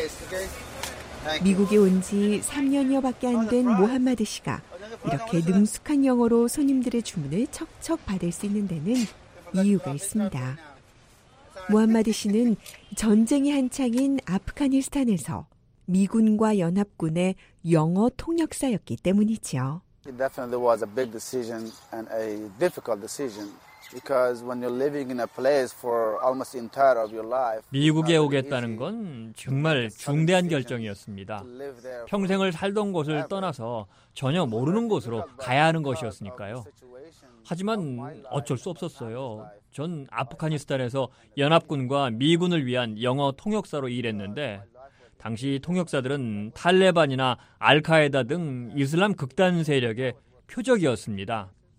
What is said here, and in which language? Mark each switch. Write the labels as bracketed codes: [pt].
[ko] 미국에 온 지 3년여밖에 안 된 무함마드 씨가 이렇게 능숙한 영어로 손님들의 주문을 척척 받을 수 있는 데는 이유가 있습니다. 무함마드 씨는 전쟁이 한창인 아프가니스탄에서 미군과 연합군의 영어 통역사였기 때문이죠. [en] It definitely was a big decision and a difficult decision because when you're living in a place for almost entire of your life. [ko] 미국에 오겠다는 건 정말 중대한 결정이었습니다. 평생을 살던 곳을 떠나서 전혀 모르는 곳으로 가야 하는 것이었으니까요. 하지만 어쩔 수 없었어요. 전 아프가니스탄에서 연합군과 미군을 위한 영어 통역사로 일했는데 당시 통역사들은 탈레반이나 알카에다 등 이슬람 극단 세력의 표적이었습니다.